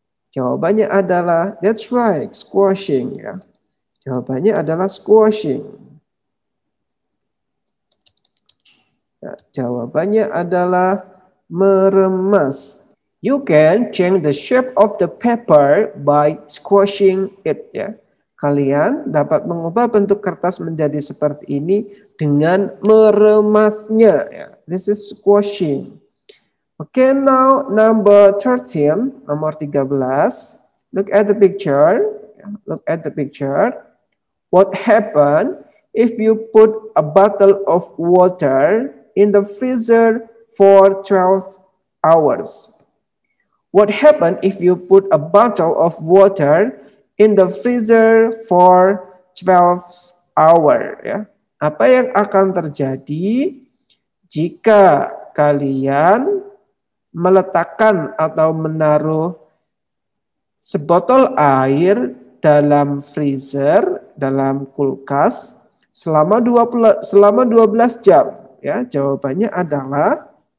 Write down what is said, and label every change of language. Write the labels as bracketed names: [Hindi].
[Indonesian] Jawabannya adalah [English] that's right, squashing, [Indonesian] ya. Jawabannya adalah squashing. Ya, jawabannya adalah meremas. [English] You can change the shape of the paper by squashing it, ya. [Indonesian] Kalian dapat mengubah bentuk kertas menjadi seperti ini dengan meremasnya. [English] This is squashing. Okay, now number 13, [Indonesian] nomor 13. [English] Look at the picture. Look at the picture. What happened if you put a bottle of water in the freezer for 12 hours? What happened if you put a bottle of water in the freezer for 12 hours, ya. [Indonesian] Apa yang akan terjadi jika kalian meletakkan atau menaruh sebotol air dalam freezer, dalam kulkas selama 12 jam, ya. Jawabannya adalah